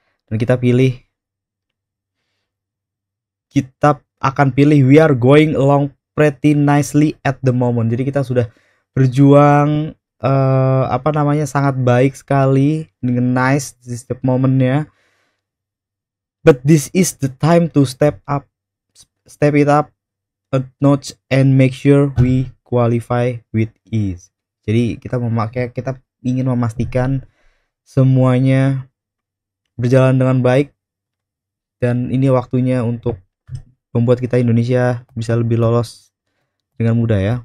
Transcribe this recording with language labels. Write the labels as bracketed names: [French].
[Indonesian] Dan kita pilih, kita akan pilih [English] we are going along pretty nicely at the moment. [Indonesian] Jadi kita sudah berjuang sangat baik sekali dengan [English] nice this the moment [Indonesian] ya. [English] But this is the time to step it up a notch and make sure we qualify with ease. [Indonesian] Jadi kita ingin memastikan semuanya berjalan dengan baik dan ini waktunya untuk membuat kita Indonesia bisa lebih lolos dengan mudah ya.